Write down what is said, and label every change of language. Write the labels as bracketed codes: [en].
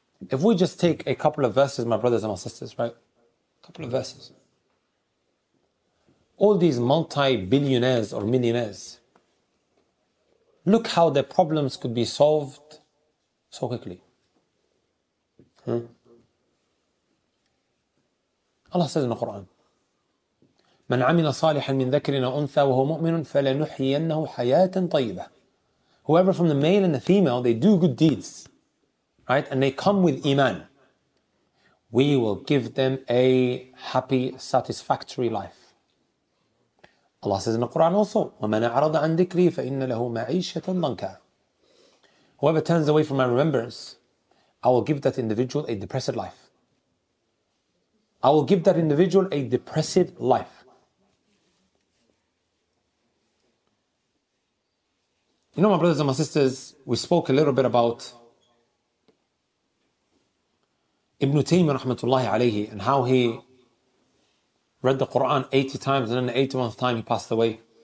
[en] If we just take a couple of verses, my brothers and my sisters, right? A couple of verses. All these multi-billionaires or millionaires, look how their problems could be solved so quickly. [ar] Allah says in the Quran, مَنْ عَمِنَ صَالِحًا مِنْ ذَكْرِنَ أُنْثَى وَهُوَ مُؤْمِنٌ فَلَنُحْيَنَّهُ حَيَاةً طَيِّبَةً. [en] Whoever from the male and the female, they do good deeds, right? And they come with iman. We will give them a happy, satisfactory life. [ar] Allah says in the Quran also, وَمَنَ أَعْرَضَ عَنْ ذِكْرِي فَإِنَّ لَهُ مَعِيشَةً ضَنْكَ. [en] Whoever turns away from my remembrance, I will give that individual a depressed life. I will give that individual a depressed life. You know, my brothers and my sisters, we spoke a little bit about Ibn Taymiyyah rahmatullahi alayhi and how he read the Quran 80 times and then the 81st time he passed away.